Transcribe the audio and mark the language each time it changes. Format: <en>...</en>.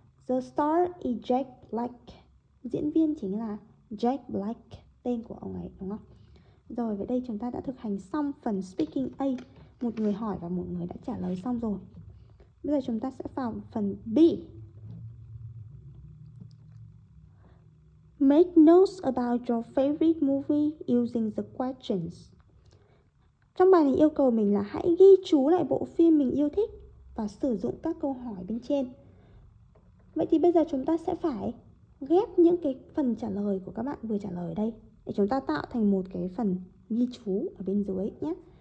<en>The star is Jack Black.</en> <vi>Diễn viên chính là Jack Black, tên của ông ấy đúng không? Rồi, vậy đây chúng ta đã thực hành xong phần speaking A. Một người hỏi và một người đã trả lời xong rồi. Bây giờ chúng ta sẽ vào phần B.</vi> <en>Make notes about your favorite movie using the questions.</en> <vi>Trong bài này yêu cầu mình là hãy ghi chú lại bộ phim mình yêu thích và sử dụng các câu hỏi bên trên. Vậy thì bây giờ chúng ta sẽ phải ghép những cái phần trả lời của các bạn vừa trả lời ở đây để chúng ta tạo thành một cái phần ghi chú ở bên dưới nhé.</vi>